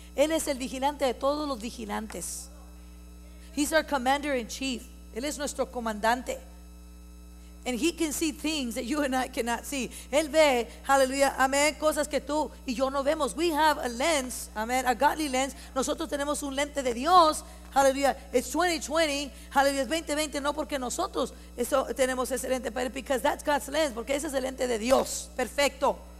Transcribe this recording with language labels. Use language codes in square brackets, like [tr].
[es] Él es el vigilante de todos los vigilantes. [en] He's our commander in chief. [es] Él es nuestro comandante. [en] And he can see things that you and I cannot see. [es] Él ve, hallelujah, amen, cosas que tú y yo no vemos. [en] We have a lens, amen, a godly lens. [es] Nosotros tenemos un lente de Dios. [en] Hallelujah, it's 2020. [es] Hallelujah, es 2020, no porque nosotros eso tenemos ese lente, pero [en] because that's God's lens, [es] porque ese es el lente de Dios. Perfecto.